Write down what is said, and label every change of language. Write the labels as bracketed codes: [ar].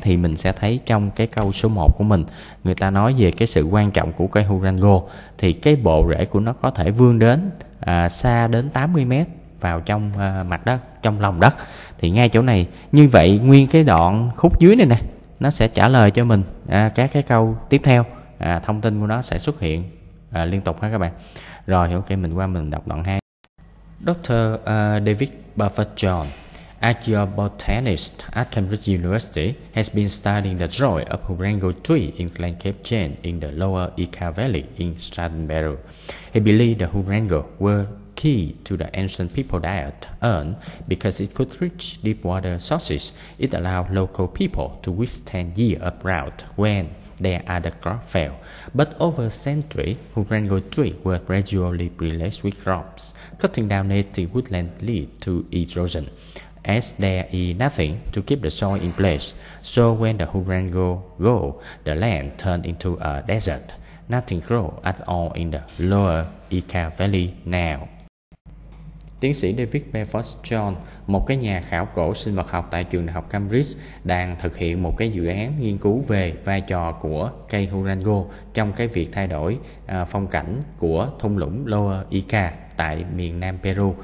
[vi] Thì mình sẽ thấy trong cái câu số 1 của mình, người ta nói về cái sự quan trọng của cây Durango, thì cái bộ rễ của nó có thể vươn đến xa đến 80 mét vào trong mặt đất, trong lòng đất. Thì ngay chỗ này, như vậy nguyên cái đoạn khúc dưới này nè, nó sẽ trả lời cho mình các cái câu tiếp theo, thông tin của nó sẽ xuất hiện liên tục ha các bạn. Rồi ok, mình qua mình đọc đoạn 2. [en] Dr. David Buffett-John, a geobotanist at Cambridge University, has been studying the joy of Durango tree in Glen Cape Chain in the Lower Ica Valley in Southern Peru. He believed the Durango were key to the ancient people diet, and because it could reach deep water sources, it allowed local people to withstand years of drought when their other crops failed. But over a century, Durango trees were gradually replaced with crops, cutting down native woodland lead to erosion. As there is nothing to keep the soil in place, so when the Durango go, the land turned into a desert. Nothing grows at all in the Lower Ica Valley now. [vi] Tiến sĩ David Buffett-John, một cái nhà khảo cổ sinh vật học tại trường đại học Cambridge, đang thực hiện một cái dự án nghiên cứu về vai trò của cây Durango trong cái việc thay đổi phong cảnh của thung lũng Lower Ica tại miền Nam Peru.